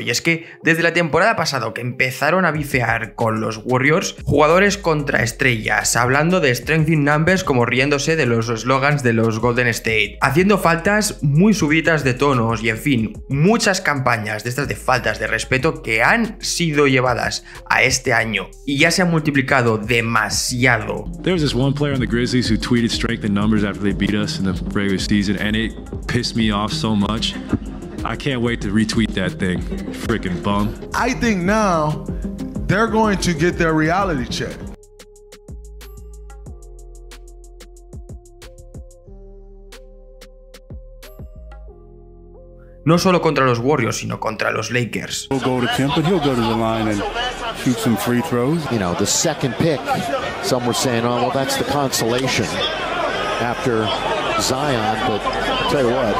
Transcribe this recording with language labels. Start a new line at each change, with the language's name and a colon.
Spanish: Y es que desde la temporada pasada que empezaron a bifear con los Warriors, jugadores contra estrellas, hablando de
English: strength in numbers
Spanish: como riéndose de los slogans de los Golden State, haciendo faltas muy subidas de tonos y en fin, muchas campañas de estas de faltas de respeto que han sido llevadas a este año y ya se han multiplicado demasiado.
English: There's this one player on the Grizzlies who tweeted strength in numbers after they beat us in the regular season and it pissed me off so much. I can't wait to retweet that thing, freaking bum. I think now they're going to get their reality check.
Spanish: No solo contra los Warriors, sino contra los Lakers.
English: He'll go to Kemp, but he'll go to the line and shoot some free throws. You know, the second pick, some were saying, oh, well, that's the consolation after Zion, but tell you what,